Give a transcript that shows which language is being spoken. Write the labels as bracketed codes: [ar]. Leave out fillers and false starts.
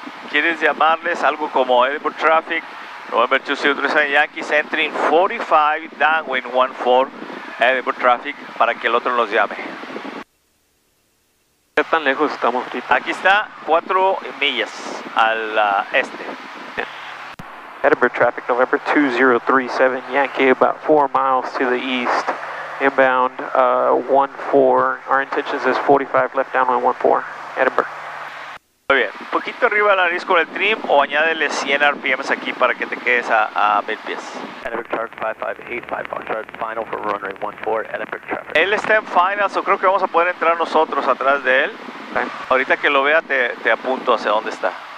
[es] ¿Quieres llamarles algo como [en] Edinburgh Traffic, November 2037 Yankees, entering 45 downwind 14 Edinburgh Traffic, [es] para que el otro nos llame? ¿Qué tan lejos estamos ahorita? Aquí está, 4 millas al este. [en] Edinburgh Traffic, November 2037 Yankee, about 4 miles to the east, inbound 14, our intentions is 45 left downwind 14, Edinburgh. [es] Muy bien, un poquito arriba de la nariz con el trim o añádele 100 RPMs aquí para que te quedes a 1000 pies. [en] Edinburgh Traffic 5585 Foxtrot, final for runway 14, Edinburgh Traffic. [es] Él está en final, so creo que vamos a poder entrar nosotros atrás de él. [en] Okay. [es] Ahorita que lo vea te apunto hacia dónde está.